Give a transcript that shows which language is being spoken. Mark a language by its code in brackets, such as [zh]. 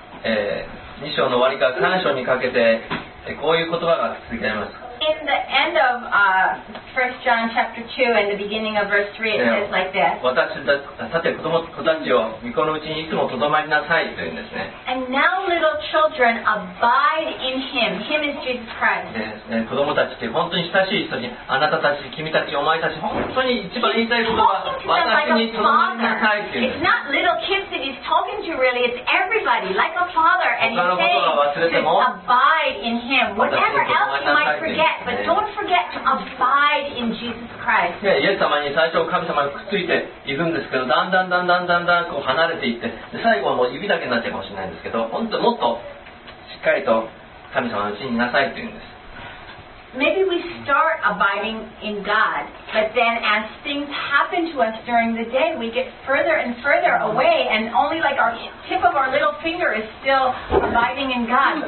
[ja] 2章の終わりから3章にかけて、こういう言葉が続いてあります。 [en] In the end of 1 John chapter 2 and the beginning of verse 3, it says like this. [ja] 私たち、さて子供子たちよ、御子のうちにいつもとどまりなさいというんですね。 [en] And now little children abide in him. Him is Jesus Christ. [ja] 子供たちって本当に親しい人に、あなたたち、君たち、お前たち、本当に一番言いたいことは、私にとどまりなさいという。 [en] It's not little kids that he's talking to really, it's everybody, like a father. And he's saying, abide in him. Whatever else you might forget. forget, but don't forget to abide in Jesus Christ. [ja] イエス様に最初神様にくっついていくんですけど、だんだんだんだんだんだんこう離れていって、で最後はもう指だけになっちゃうかもしれないんですけど、本当もっとしっかりと神様のうちにいなさいというんです。 [en] Maybe we start abiding in God, but then as things happen to us during the day, we get further and further away, and only like our tip of our little finger is still abiding in God.